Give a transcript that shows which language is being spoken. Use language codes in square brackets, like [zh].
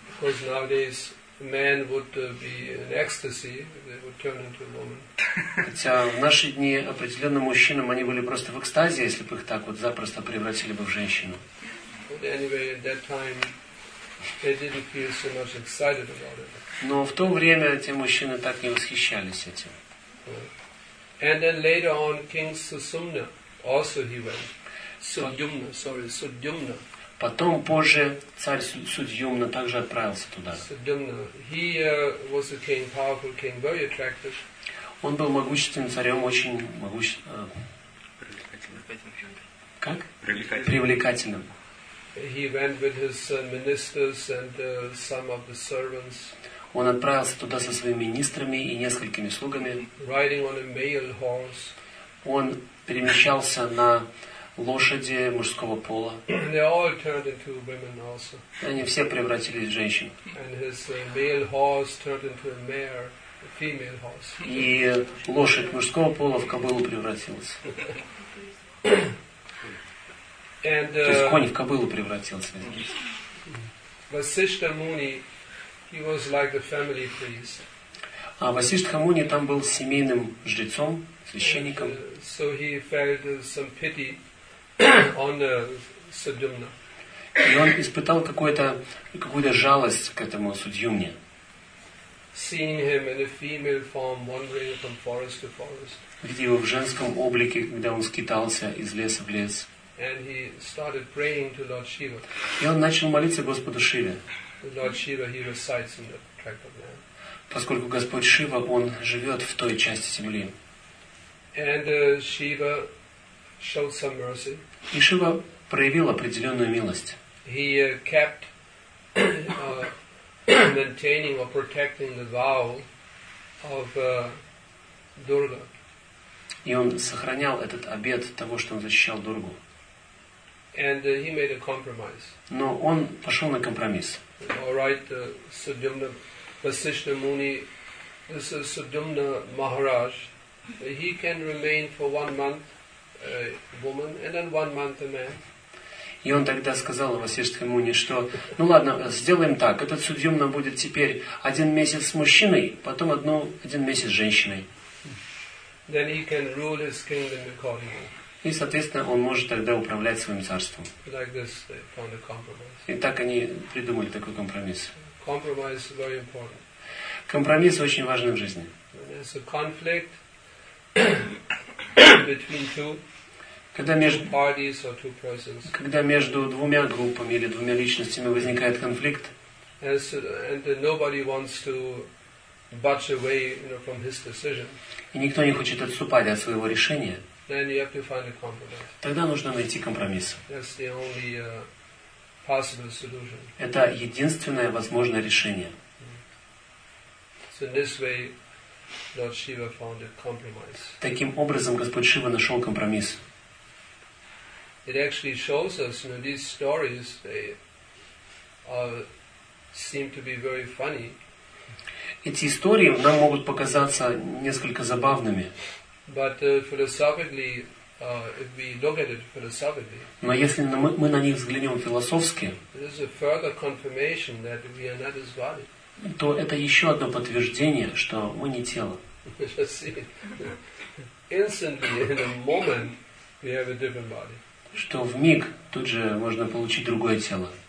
[en] Because nowadays man would be in ecstasy, they would turn into a woman. [ru] Хотя в наши дни определенным мужчинам они были просто в экстазе, если бы их так вот запросто превратили бы в женщину. [en] But anyway, at that time they didn't feel so much excited about it. [ru] Но в то время эти мужчины так не восхищались этим. [en] And then later on, King Susumna also he went. [ru] Судьюмна, [en] sorry, [ru] Судьюмна. Потом позже царь Судьюмна также отправился туда. [en] Судьюмна, he was a king, powerful king, very attractive. [ru] Он был могущественным царем, очень привлекательным. Как? Привлекательным. [en] He went with his ministers and some of the servants. [ru] Он отправился туда со своими министрами и несколькими слугами. [en] Riding on a male horse. [ru] Он перемещался на лошади мужского пола. [en] And they all turned into women also. [ru] Они все превратились в женщин. [en] And his male horse turned into a mare, a female horse. [ru] И лошадь мужского пола в кобылу превратилась. [en] And, [ru] то есть конь в кобылу превратился. [en] Vasishtha Muni. He was like the family priest. [ru] А Васиштха Муни там был семейным жрецом, священником. [en] So he felt some pity on Судьюмна. [ru] И он испытал какую-то жалость к этому Судьюмне. [en] Seeing him in a female form wandering from forest to forest. [ru] Видя его в женском облике, когда он скитался из леса в лес. [en] And he started praying to Lord Shiva. [ru] И он начал молиться Господу Шиве. [en] Lord Shiva, he resides in that tract of land. [ru] Поскольку Господь Шива, он живет в той части земли. [en] And Shiva showed some mercy. [ru] И Шива проявил определенную милость. [en] He kept maintaining or protecting the vow of [ru] Дурга. И он сохранял этот обет того, что он защищал Дургу. [en] And he made a compromise. [ru] Но он пошел на компромисс. [en] All right, Судюмна Васишна Муни, Судюмна Махарадж, he can remain for 1 month a woman and then 1 month a man. [ru] И он тогда сказал Васишна Муни, что, ну ладно, сделаем так, этот Судюмна будет теперь 1 месяц с мужчиной, потом 1 месяц с женщиной. [en] Then he can rule his kingdom accordingly. [ru] И, соответственно, он может тогда управлять своим царством. [en] Like this, they found a compromise. [ru] И так они придумали такой компромисс. [en] Compromise is very important. [ru] Компромисс очень важен в жизни. [en] There's a conflict between two, parties or two persons. [ru] Когда между двумя группами или двумя личностями возникает конфликт, [en] and nobody wants to budge away, you know, from his decision. [ru] И никто не хочет отступать от своего решения. [en] Then you have to find a compromise. [ru] Тогда нужно найти компромисс. [en] That's the only possible solution. [ru] Это единственное возможное решение. [en] So in this way, Lord Shiva found a compromise. [ru] Таким образом, Господь Шива нашел компромисс. [en] It actually shows us, you know, these stories, they seem to be very funny. [ru] Эти истории нам могут показаться несколько забавными. [en] But philosophically, if we look at it philosophically, [ru] но если мы на них взглянем философски, [en] this is a further confirmation that we are not his body. [ru] То это еще одно подтверждение, что мы не тело. [en] Instantly, in a moment, we have a different body. [ru] Что в миг тут же можно получить другое тело.